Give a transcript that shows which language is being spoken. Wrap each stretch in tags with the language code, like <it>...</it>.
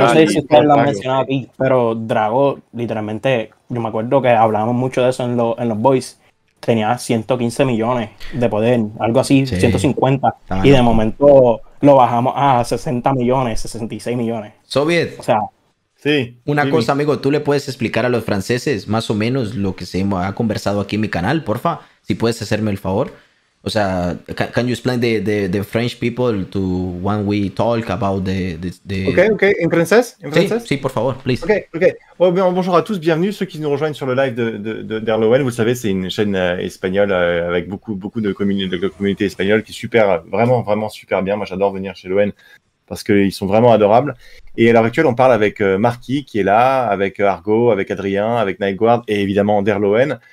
<es>No sé si usted lo ha mencionado aquí, pero Drago, literalmente, yo me acuerdo que hablábamos mucho de eso en los boys, tenía 115 millones de poder, algo así, sí. 150, y de momento lo bajamos a 60 millones, 66 millones. Soviet. O sea, sí, una cosa, amigo, ¿tú le puedes explicar a los franceses más o menos lo que se ha conversado aquí en mi canal, porfa? Si puedes hacerme el favor. O sea,</es> <en>can you explain the French people to when we talk about the...</en> <es>Ok, en francés, Sí, por favor, please. Ok.</es> <fr>Bon, bonjour à tous, bienvenue ceux qui nous rejoignent sur le live d'Erlowen. Vous savez, c'est une chaîne espagnole avec beaucoup, beaucoup de communauté espagnole qui est super, vraiment, vraiment super bien. Moi, j'adore venir chez Erlowen. parce qu'ils sont vraiment adorables. Et à l'heure actuelle, on parle avec Marquis qui est là, avec Argo, avec Adrien, avec Nightguard et évidemment Derloen.</fr>